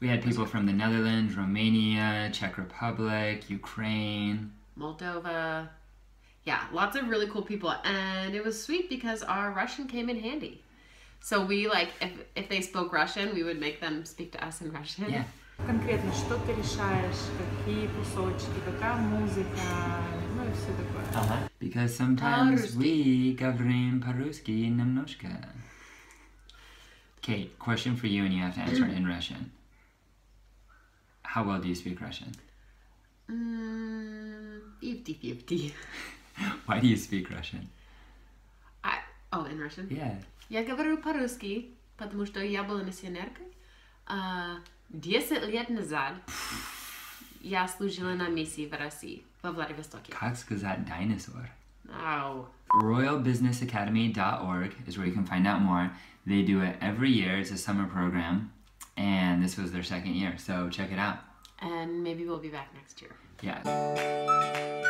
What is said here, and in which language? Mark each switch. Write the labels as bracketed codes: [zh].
[en] We had people from the Netherlands, Romania, Czech Republic, Ukraine, Moldova. Yeah, lots of really cool people. And it was sweet because our Russian came in handy. So we like, if they spoke Russian, we would make them speak to us in Russian. Yeah. [ru] Конкретно, что ты решаешь, какие кусочки, какая музыка, ну и все такое. [en] Uh-huh. Because sometimes we [ru] говорим по-русски немножко. [en] Okay, question for you, and you have to answer it in Russian. How well do you speak Russian? 50-50. Why do you speak Russian? In Russian? Yeah. [ru] Я говорю по-русски, потому что я была миссионеркой. 10 лет назад я служила на миссии в России, во Владивостоке. Как сказать dinosaur? [en] Ow. RoyalBusinessAcademy.org is where you can find out more. They do it every year. It's a summer program. And this was their second year. So check it out. And maybe we'll be back next year. Yeah.